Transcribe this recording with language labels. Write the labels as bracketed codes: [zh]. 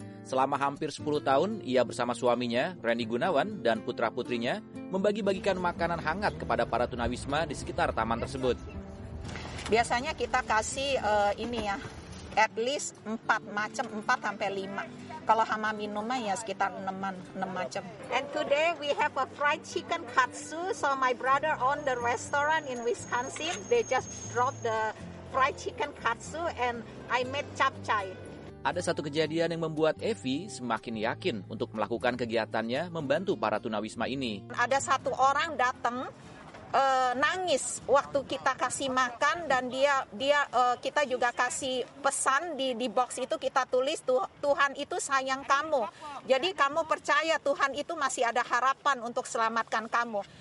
[id] Selama hampir 10 tahun, ia bersama suaminya, Randy Gunawan, dan putra-putrinya membagi-bagikan makanan hangat kepada para tunawisma di sekitar taman tersebut. Biasanya kita kasih ini ya, [en] at least [id] 4 macam, 4 sampai 5. Kalau hama minuman ya sekitar 6 macam. [en] And today we have a fried chicken katsu, so my brother own the restaurant in Wisconsin. They just drop the fried chicken katsu and I made capcay. [id] Ada satu kejadian yang membuat Evi semakin yakin untuk melakukan kegiatannya membantu para tunawisma ini. Ada satu orang datang nangis waktu kita kasih makan, dan dia kita juga kasih pesan di box itu, kita tulis Tuhan itu sayang kamu, jadi kamu percaya Tuhan itu masih ada harapan untuk selamatkan kamu.